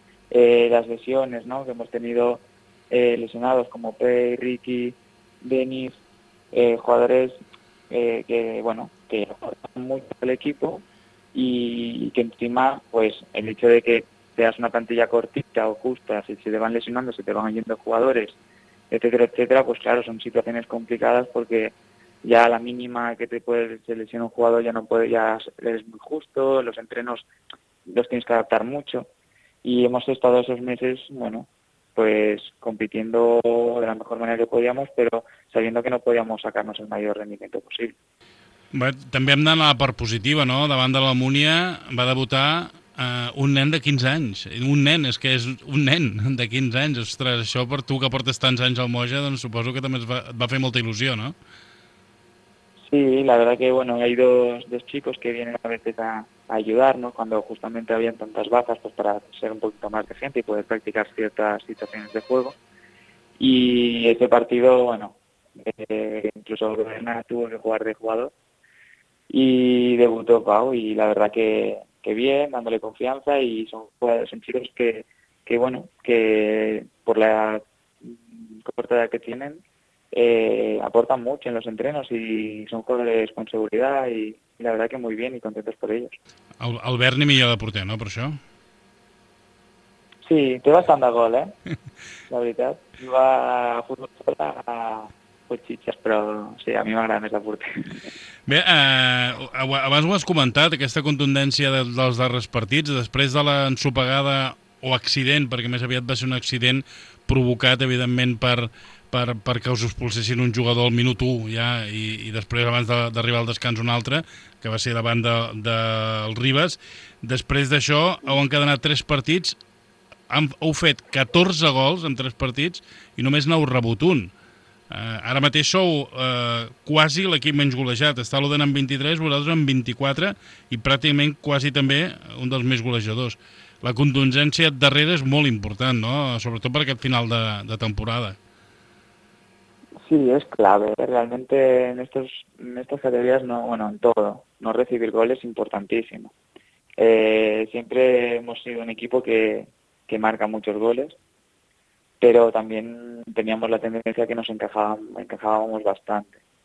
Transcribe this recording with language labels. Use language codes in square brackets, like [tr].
[es] las lesiones, ¿no?, que hemos tenido lesionados como Pei, Ricky, Denis, jugadores que, bueno, que aportan mucho al equipo y que encima, pues, el hecho de que seas una plantilla cortita o justa, si se te van lesionando, se te van yendo jugadores, etcétera, etcétera, pues claro, son situaciones complicadas porque ya a la mínima que te puede seleccionar un jugador ya no puede, ya eres muy justo, los entrenos los tienes que adaptar mucho. Y hemos estado esos meses, bueno, pues compitiendo de la mejor manera que podíamos, pero sabiendo que no podíamos sacarnos el mayor rendimiento posible. [ca] Bé, també hem d'anar a la part positiva, no? Davant de l'Almúnia va debutar un nen de 15 anys. Un nen, és que és un nen de 15 anys. Ostres, això per tu que portes tants anys al Moja, doncs suposo que també et va fer molta il·lusió, no? [es] Sí, la verdad que, bueno, hay dos chicos que vienen a veces a ayudar, ¿no?, cuando justamente habían tantas bajas, pues para ser un poquito más de gente y poder practicar ciertas situaciones de juego. Y ese partido, bueno, incluso Bernat tuvo que jugar de jugador y debutó Pau, y la verdad que bien, dándole confianza, y son chicos que bueno, que por la corta edad que tienen, aportan mucho en los entrenos y son jugadores con seguridad y la verdad que muy bien y contentos por ellos. [ca] El Berni millor de porter, no, per això? Sí, té bastant de gol, la veritat. Juga a futbol sola a Puigxitxes, però sí, a mi m'agrada més de porter. Bé, abans ho has comentat, aquesta contundència dels darrers partits, després de l'ensopegada o accident, perquè més aviat va ser un accident provocat, evidentment, per que us expulsessin un jugador al minut 1, ja, i després, abans d'arribar al descans, un altre, que va ser davant del Ribas. Després d'això, heu encadenat 3 partits, heu fet 14 gols en 3 partits i només n'heu rebut un. Ara mateix sou quasi l'equip menys golejat. Està l'Oden amb 23, vosaltres amb 24 i pràcticament quasi també un dels més golejadors. La contundència darrere és molt important, no?, sobretot per aquest final de temporada. [es] Sí, es clave. Realmente en estas categorías, no, bueno, en todo, no recibir goles es importantísimo. Siempre hemos sido un equipo que marca muchos goles, pero también teníamos la tendencia que nos encajábamos bastante.